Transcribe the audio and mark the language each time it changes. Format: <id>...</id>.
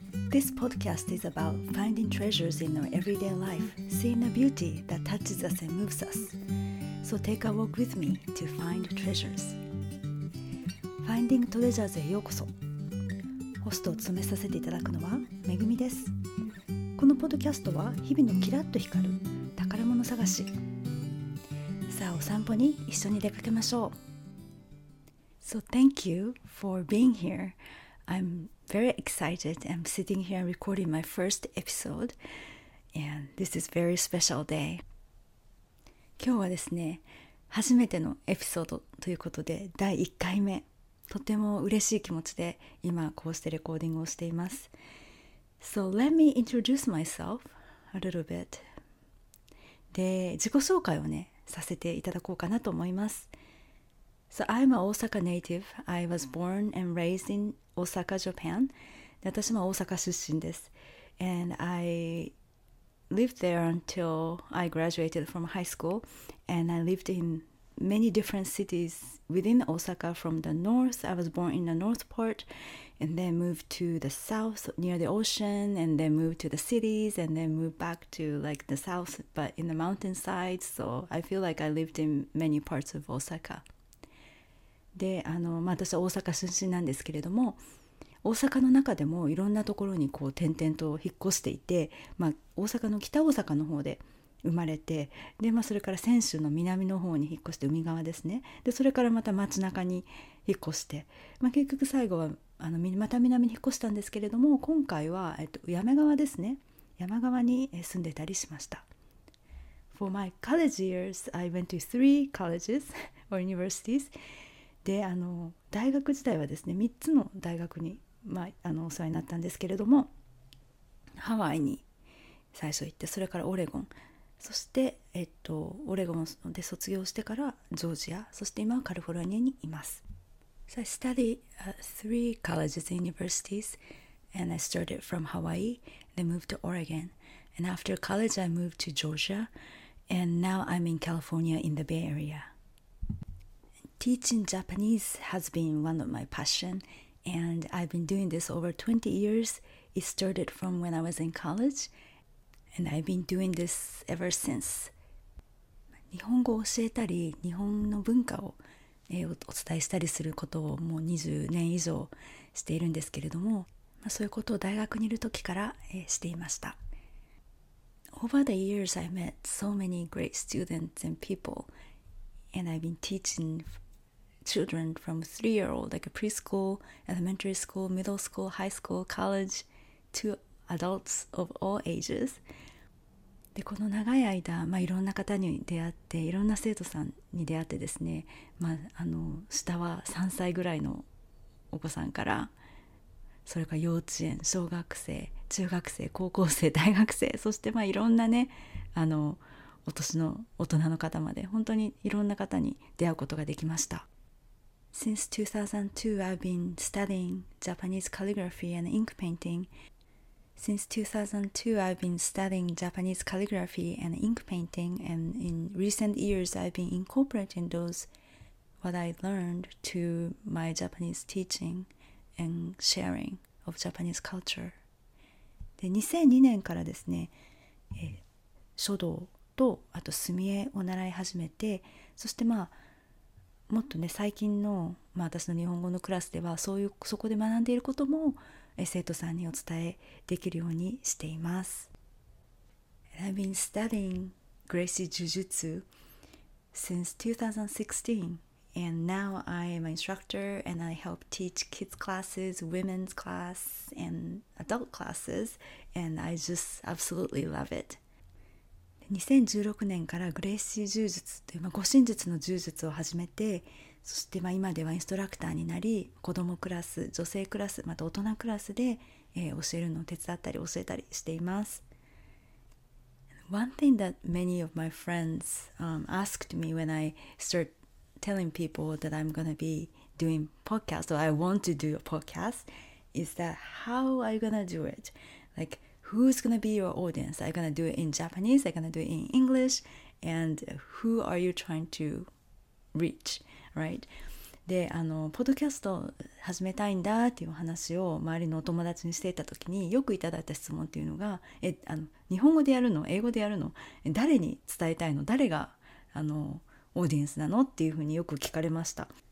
<en>This podcast is about finding treasures in our everyday life, seeing the beauty that touches us and moves us. So take a walk with me to find treasures.</en> <ja>Finding Treasures へようこそ。ホストを務めさせていただくのは、めぐみです。このポッドキャストは、日々のキラッと光る宝物探し。さあ、お散歩に一緒に出かけましょう。</ja> <en>So thank you for being here. I'm very excited. I'm sitting here recording my first episode. And this is a very special day.</en> <ja>今日はですね、初めてのエピソードということで、第1回目。とても嬉しい気持ちで今こうしてレコーディングをしています。</ja> <en>So let me introduce myself a little bit.</en> <ja>で、自己紹介をね、させていただこうかなと思います。</ja> <en>So I'm an Osaka native. I was born and raised in Osaka, Japan.</en> <ja>で、私も大阪出身です。</ja> <en>And I lived there until I graduated from high school. And I lived in many different cities within Osaka from the north. I was born in the north part and then moved to the south near the ocean and then moved to the cities and then moved back to like the south but in the mountainside. So I feel like I lived in many parts of Osaka.</en> <ja>で、私は大阪出身なんですけれども、大阪の中でもいろんなところにこう転々と引っ越していて、大阪の北大阪の方で生まれて、で、それから泉州の南の方に引っ越して海側ですね。で、それからまた町中に引っ越して、結局最後はまた南に引っ越したんですけれども、今回は山側ですね。山側に住んでたりしました。</ja> <en>For my college years, I went to three colleges or universities.</en> <ja>で、大学時代はですね、3つの大学に、お世話になったんですけれども、ハワイに最初行って、それからオレゴン。そしてオレゴンで卒業してからジョージア、そして今はカリフォルニアにいます。</ja> <en>So I studied three colleges and universities, and I started from Hawaii, then moved to Oregon, and after college I moved to Georgia, and now I'm in California in the Bay Area. Teaching Japanese has been one of my passion, and I've been doing this over 20 years. It started from when I was in college. And I've been doing this ever since.</en> <ja>日本語を教えたり、日本の文化をお伝えしたりすることをもう20年以上しているんですけれども、そういうことを大学にいる時からしていました。</ja> <en>Over the years, I met so many great students and people, and I've been teaching children from 3-year-old, like a preschool, elementary school, middle school, high school, college, to adults of all ages.</en> <ja>で、この長い間、いろんな方に出会って、いろんな生徒さんに出会ってですね、下は3歳ぐらいのお子さんから、それから幼稚園、小学生、中学生、高校生、大学生、そしていろんなね、お年の大人の方まで、本当にいろんな方に出会うことができました。</ja> <en>Since 2002, I've been studying Japanese calligraphy and ink painting. Since 2002, I've been studying Japanese calligraphy and ink painting, and in recent years, I've been incorporating those what I learned to my Japanese teaching and sharing of Japanese culture.</en> <ja>で、2002年からですね、書道とあと墨絵を習い始めて、そしてもっとね、最近の、私の日本語のクラスでは、そこで学んでいることも生徒さんにお伝えできるようにしています。</ja> <en>I've been studying Gracie Jujutsu since 2016, and now I am an instructor and I help teach kids classes, women's class, and adult classes, and I just absolutely love it.</en> <ja>2016年から Gracie Jujutsu という、護身術の柔術を始めて、そして今ではインストラクターになり、子供クラス、女性クラス、また大人クラスで教えるのを手伝ったり教えたりしています。</ja> <en>One thing that many of my friends asked me when I start telling people that I'm going to be doing podcast or I want to do a podcast is that how are you going to do it? Like, who's going to be your audience? Are you going to do it in Japanese? Are you going to do it in English? And who are you trying to reach?Right.</en> <ja>で、あのポッドキャスト始めたいんだっていうお話を周りのお友達にしていた時によくいただいた質問っていうのが、あの日本語でやるの、英語でやるの、誰に伝えたいの、誰があのオーディエンスなのっていうふうによく聞かれました。</ja>